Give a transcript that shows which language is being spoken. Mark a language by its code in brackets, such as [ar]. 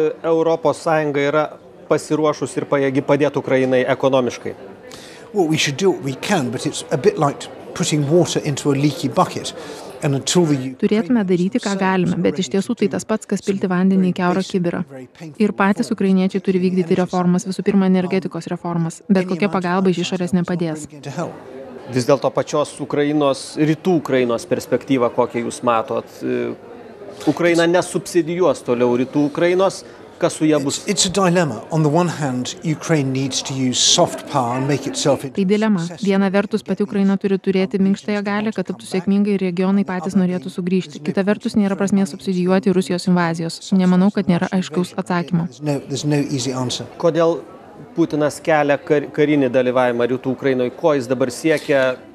[lt] Europos Sąjunga yra pasiruošus ir pajėgi padėti Ukrainai ekonomiškai? [en] Well, we should do what we can, but it's a bit like putting water into a leaky bucket. [lt] Turėtume daryti, ką galime, bet iš tiesų tai tas pats, kas pilti vandenį į keurą kibirą. Ir patys ukrainiečiai turi vykdyti reformas, visų pirma, energetikos reformas, bet kokia pagalba iš išorės nepadės. Vis dėlto pačios Ukrainos, rytų Ukrainos perspektyva, kokią jūs matot, Ukraina nesubsidijuos toliau rytų Ukrainos, kas su ja bus? [en] It's a dilemma. On the one hand, Ukraine needs to use soft power and make itself. [lt] Tai dilema. Viena vertus, pati Ukraina turi turėti minkštąją galią, kad taptų sėkmingai ir regionai patys norėtų sugrįžti. Kita vertus, nėra prasmės subsidijuoti Rusijos invazijos. Nemanau, kad nėra aiškaus atsakymo. Kodėl Putinas kelia karinį dalyvavimą rytų Ukrainoje? Ko jis dabar siekia?